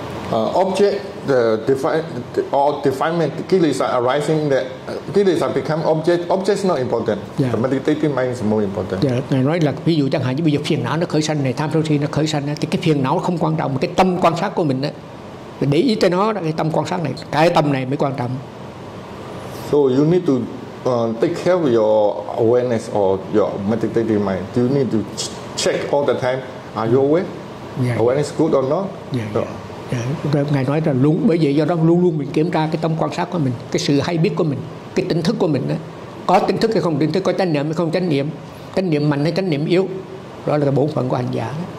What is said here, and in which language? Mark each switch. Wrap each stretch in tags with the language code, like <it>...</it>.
<en>Object the define or definement killers are arising that killers are become object. Object is not important. Yeah. The meditating mind is more important. Yeah.</en> <vi>Nói là ví dụ chẳng hạn như bây giờ phiền não nó khởi sanh này, tham sân si nó khởi sanh thì cái phiền não không quan trọng, cái tâm quan sát của mình đó, để ý tới nó, cái tâm quan sát này, cái tâm này mới quan trọng.</vi> <en>So you need to take care of your awareness or your meditating mind. You need to check all the time. Are you aware? Yeah. Awareness good or not? Yeah.</en> <vi>So, ngài nói là luôn, bởi vậy do đó luôn luôn mình kiểm tra cái tâm quan sát của mình, cái sự hay biết của mình, cái tỉnh thức của mình đó. Có tỉnh thức hay không tỉnh thức, có chánh niệm hay không chánh niệm, chánh niệm mạnh hay chánh niệm yếu, đó là bổn phận của hành giả.</vi>